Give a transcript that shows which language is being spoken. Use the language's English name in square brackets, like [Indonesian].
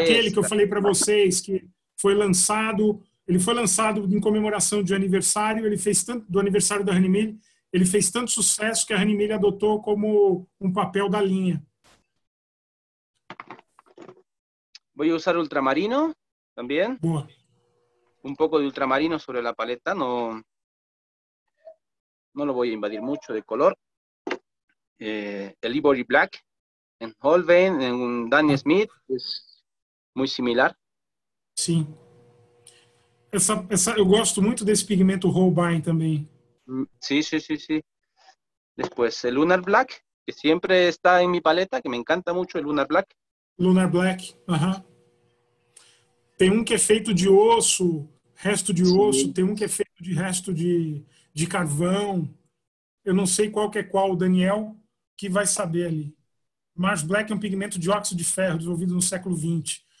[Portuguese] Aquele que eu falei para vocês, que foi lançado, ele foi lançado em comemoração de aniversário, ele fez tanto, do aniversário da Hanne Müller, ele fez tanto sucesso que a Hanne Müller adotou como um papel da linha. Vou usar ultramarino também. Boa. Um pouco de ultramarino sobre a paleta, não. Não lo vou invadir muito de color. [Spanish] El Ivory Black en Holbein, en Daniel Smith, es muy similar. Sí. Yo gosto mucho de ese pigmento Holbein también. Sí. Después el Lunar Black, que siempre está en mi paleta, que me encanta mucho el Lunar Black. Lunar Black, ajá. [Portuguese] Tem um que é feito de osso, resto de osso, tem um que é feito de resto de carvão. Eu não sei qual que é qual, o Daniel, que vai saber ali. Mars Black é um pigmento de óxido de ferro, desenvolvido no século XX.